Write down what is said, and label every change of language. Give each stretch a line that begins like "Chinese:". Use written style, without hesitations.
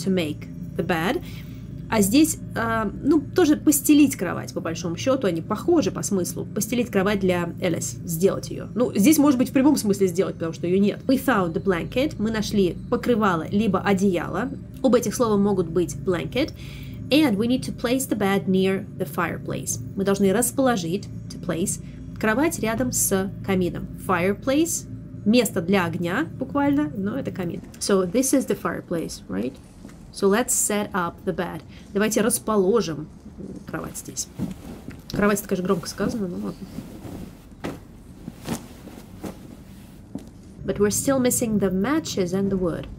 English: To make the bed.
Russian: А здесь, ну, тоже постелить кровать, по большому счету. Они похожи по смыслу. Постелить кровать для Элис. Сделать ее. Ну, здесь, может быть, в прямом смысле сделать, потому что ее нет.
English: We found the blanket.
Russian: Мы нашли покрывало, либо одеяло. Оба этих слова могут быть blanket.
English: And we need to place the bed near the fireplace.
Russian: Мы должны расположить, to place, кровать рядом с камином. Fireplace, место для огня, буквально, но это камин.
English: So this is the fireplace, right? So let's set up the bed.
Russian: Давайте расположим кровать здесь. Кровать, это, конечно, громко сказано, но ладно.
English: But we're still missing the matches and the wood.